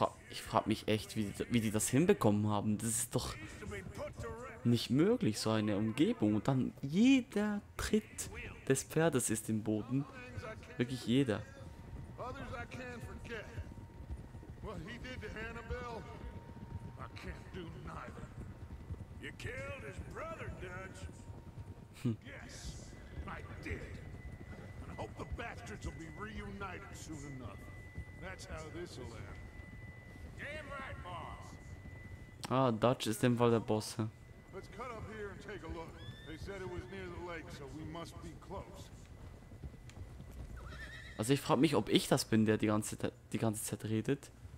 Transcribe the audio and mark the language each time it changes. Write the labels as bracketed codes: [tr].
[de] Ich frag mich echt, wie die das hinbekommen haben. Das ist doch nicht möglich, so eine Umgebung. Und dann jeder Tritt des Pferdes ist im Boden. Wirklich jeder. [en] I can forget. What he did to Hannibal, I can't do neither. You killed his brother, Dutch. Yes, I did. And I hope the bastards will be reunited soon enough. That's how this'll end. Damn right, boss. [de] Ah, Dutch ist im Fall der Boss. [en] Let's cut up here and take a look. They said it was near the lake, so we must be close. [de] Also ich frage mich, ob ich das bin, der die ganze Zeit redet.